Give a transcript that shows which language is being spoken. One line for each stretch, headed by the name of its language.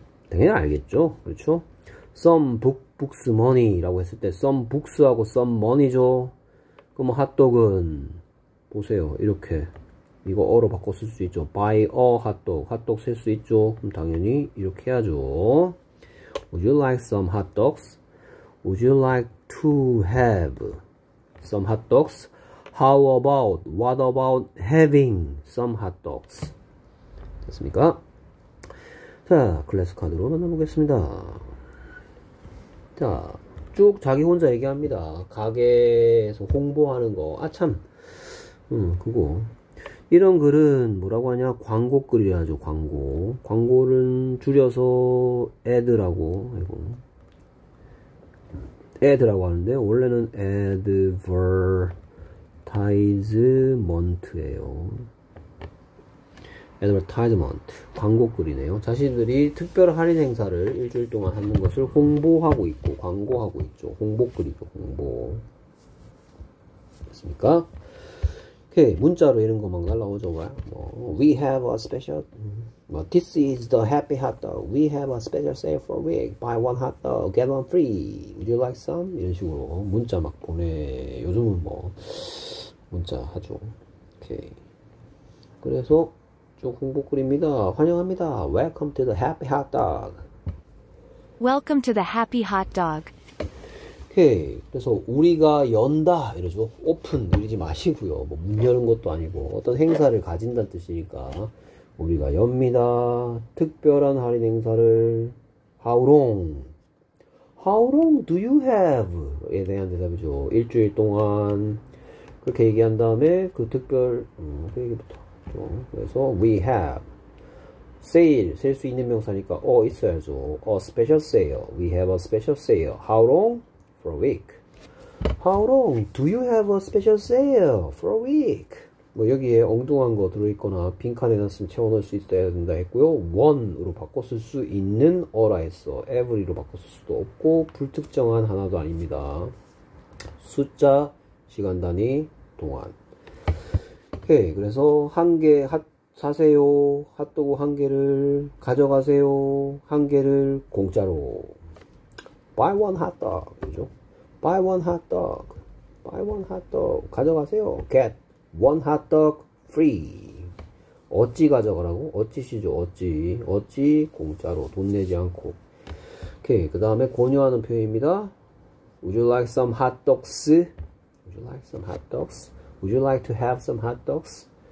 Korean: 당연히 알겠죠, 그렇죠?
English: Some books money
Korean: 라고 했을 때 some books하고 some money죠. 그럼 핫도그는 보세요, 이렇게 이거 어로 바꿔 쓸 수 있죠.
English: Buy a hotdog,
Korean: 핫도그 쓸 수 있죠. 그럼 당연히 이렇게 해야죠.
English: Would you like some hot dogs? Would you like to have some hot dogs? How about, what about having some hot dogs?
Korean: 됐습니까? 자, 클래스 카드로 만나보겠습니다. 자, 쭉 자기 혼자 얘기합니다. 가게에서 홍보하는 거. 아, 참. 그거. 이런 글은 뭐라고 하냐? 광고 글이라 하죠, 광고. 광고는 줄여서 ad라고, 아이고. ad라고 하는데, 원래는 advertisement 예요. advertisement. 광고 글이네요. 자신들이 특별 할인 행사를 일주일 동안 하는 것을 홍보하고 있고, 광고하고 있죠. 홍보 글이죠, 홍보. 됐습니까? 문자로 이런 것만 날라오죠.
English: 뭐, we have a special, this is the happy hot dog. We have a special sale for a week. Buy one hot dog, get one free. Would you like some?
Korean: 이런 식으로 문자 막 보내. 요즘은 뭐 문자 하죠. 오케이. 그래서 쭉 홍보글입니다. 환영합니다.
English: Welcome to the happy hot dog. Welcome to the happy hot dog.
Korean: 그래서 우리가 연다 이러죠. 오픈 이러지 마시고요. 뭐 문 여는 것도 아니고 어떤 행사를 가진다는 뜻이니까 우리가 엽니다. 특별한 할인 행사를.
English: How long? How long do you have?
Korean: 에 대한 대답이죠. 일주일 동안 그렇게 얘기한 다음에 그 특별 그 얘기부터.
English: 그래서 we have. sale,
Korean: 셀 수 있는 명사니까 있어야죠.
English: A special sale. We have a special sale. How long? For a week. How long do you have a special sale for a week?
Korean: 뭐 여기에 엉뚱한 거 들어있거나 빈칸에 넣었으면 채워넣을 수 있어야 된다 했고요. one으로 바꿔 쓸 수 있는 어라 했어. every로 바꿔 쓸 수도 없고 불특정한 하나도 아닙니다. 숫자, 시간 단위, 동안. 오케이, 그래서 한 개 사세요. 핫도그 한 개를 가져가세요. 한 개를 공짜로.
English: Buy one hot dog. 그죠? Buy one hot dog. Buy one hot dog.
Korean: 가져가세요.
English: Get one hot dog free.
Korean: 어찌 가져가라고? 어찌시죠? 어찌. 어찌 공짜로. 돈 내지 않고. 오케이. 그 다음에 권유하는 표현입니다.
English: Would you like some hot dogs? Would you like some hot dogs? Would you like to have some hot dogs?